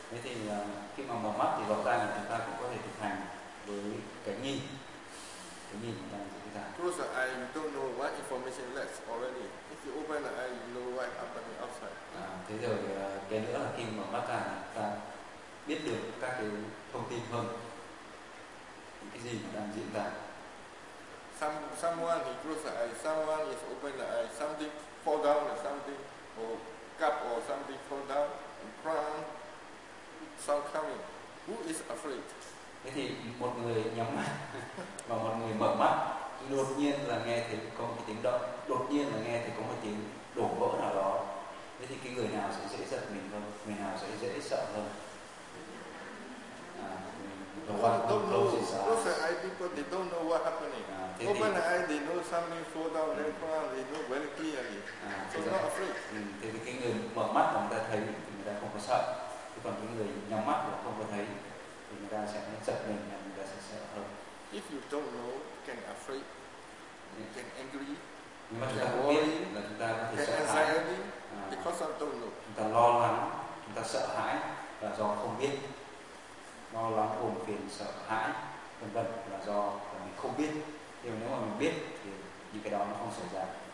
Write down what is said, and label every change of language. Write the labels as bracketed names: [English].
[Vietnamese] Thế thì khi mà mở mắt thì lọt ra thì chúng ta cũng có thể thực hành với cái nhìn của chúng ta. [English] Close the eye, you don't know what information lacks already. If you open the eye, you know what happening outside. [Vietnamese] Thế rồi cái nữa là khi mở mắt ra thì ta biết được các cái thông tin hơn, những cái gì đang diễn ra. [English] Someone he close the eye, someone is open the eye, something fall down or something. Or cup or something fall down and crown sound coming. Who is afraid? [Vietnamese] Thế thì một người nhắm mắt và một người mở mắt đột nhiên là nghe thấy có một cái tiếng động, đột nhiên là nghe thấy có một tiếng đổ vỡ nào đó. Thế thì cái người nào sẽ dễ giật mình hơn, người nào sẽ dễ sợ hơn? [English] Those are eye people, they don't know what happening. Open the eye, they know something fall down, they know very clearly. So not afraid. [Vietnamese] Thế thì cái người mở mắt mà người ta thấy thì người ta không có sợ. Thế còn cái người nhắm mắt mà không có thấy thì người ta sẽ giật mình, người ta sẽ sợ hơn. [English] If you don't know, can afraid, can angry, [Vietnamese] nhưng mà chúng ta không biết là chúng ta có thể sợ [English] hãi. Because I don't know. [Vietnamese] Chúng ta lo lắng, chúng ta sợ hãi là do không biết. Lo lắng, buồn phiền, sợ hãi, vân vân là do là mình không biết. Nhưng nếu mà mình biết thì những cái đó nó không xảy ra.